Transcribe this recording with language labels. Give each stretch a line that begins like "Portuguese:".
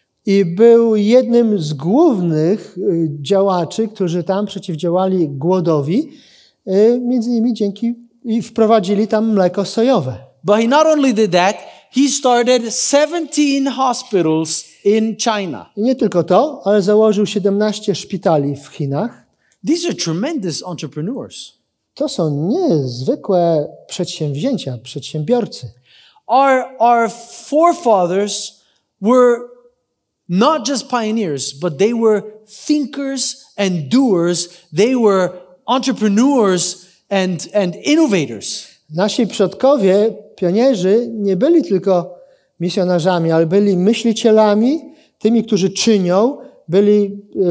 Polish: I był jednym z głównych działaczy, którzy tam przeciwdziałali głodowi. Między innymi dzięki i wprowadzili tam mleko sojowe.
English: But he not only did that, he started 17 hospitals in China.
Polish: I nie tylko to, ale założył 17 szpitali w Chinach.
English: These are tremendous entrepreneurs.
Polish: To są niezwykłe przedsięwzięcia, przedsiębiorcy.
English: Our forefathers were not just pioneers, but they were thinkers and doers. They were entrepreneurs and innovators.
Polish: Nasi przodkowie, pionierzy, nie byli tylko misjonarzami, ale byli myślicielami, tymi, którzy czynią, byli